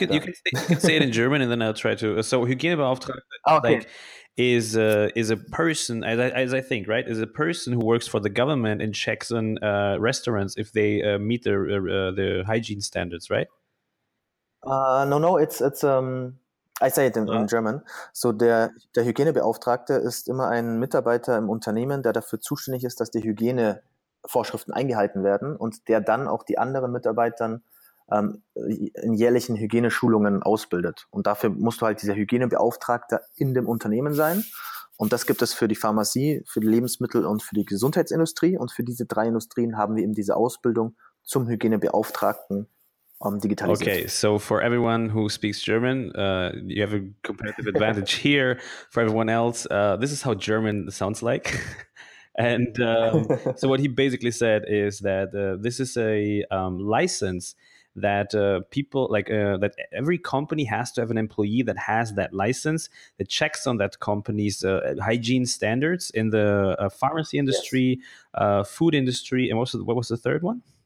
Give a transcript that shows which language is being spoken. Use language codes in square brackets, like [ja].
[en] You can say it in German, and then I'll try to. So Hygienebeauftragte. Is a person, as I think, right? Is a person who works for the government and checks on restaurants if they meet the hygiene standards, right? No. I say it in German. [de] So der Hygienebeauftragte ist immer ein Mitarbeiter im Unternehmen, der dafür zuständig ist, dass die Hygienevorschriften eingehalten werden und der dann auch die anderen Mitarbeitern in jährlichen Hygieneschulungen ausbildet. Und dafür musst du halt dieser Hygienebeauftragte in dem Unternehmen sein. Und das gibt es für die Pharmazie, für die Lebensmittel und für die Gesundheitsindustrie. Und für diese drei Industrien haben wir eben diese Ausbildung zum Hygienebeauftragten digitalisiert. [en] Okay, so for everyone who speaks German, you have a competitive advantage here. For everyone else, this is how German sounds like. And so what he basically said is that this is a license that people like that every company has to have an employee that has that license that checks on that company's hygiene standards in the pharmacy industry, food industry, and what was the third one?